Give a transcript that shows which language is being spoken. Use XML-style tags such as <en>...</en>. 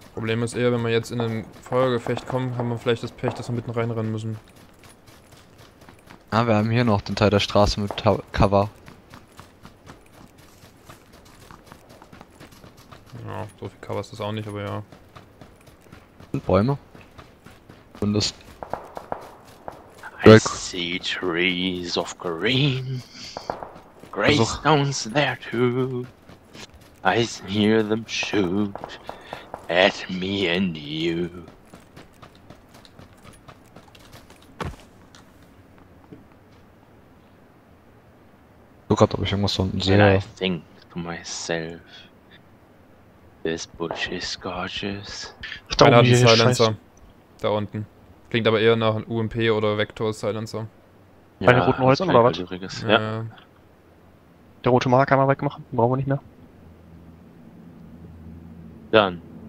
<de>Problem ist eher, wenn wir jetzt in ein Feuergefecht kommen, haben wir vielleicht das Pech, dass wir mitten reinrennen müssen. Ah, wir haben hier noch den Teil der Straße mit Cover. Ja, so viel Cover ist das auch nicht, aber ja. Sind Bäume. Und das.</de> <en>I see trees of green, gray stones there too. I hear them shoot at me and you.</en> <de>Guck grad, ob ich irgendwas unten sehe.</de> <en>And I think to myself, this bush is gorgeous.</en> <de>Ach, da unten ist Silencer. Da unten. Klingt aber eher nach UMP oder Vector Silencer. Ja, bei den roten Häusern oder was? Ja. Der rote Marker kann man wegmachen, den brauchen wir nicht mehr. Dann.</de>